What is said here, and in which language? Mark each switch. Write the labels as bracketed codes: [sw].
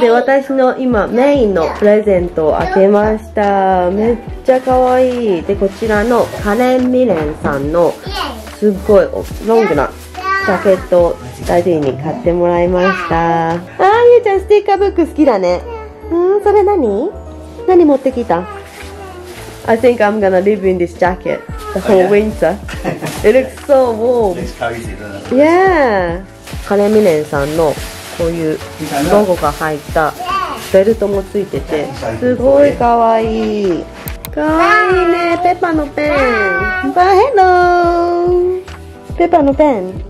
[ja] で、私の今メインのプレゼントを開けました。めっちゃかわいい。で、こちらのカレン・ミレンさんのすっごいロングなジャケットをダディに買ってもらいました。あー、ゆうちゃんスティッカーブック好きだね。うん、それ何？何持ってきた？ [en] I think I'm gonna live in this jacket the whole winter. It looks so warm. It looks cozy. Yeah. [ja] カレン・ミレンさんのこういうロゴが入ったベルトもついてて、すごいかわいい。かわいいね、ペッパのペン。バイ、ヘロー、ペッパのペン。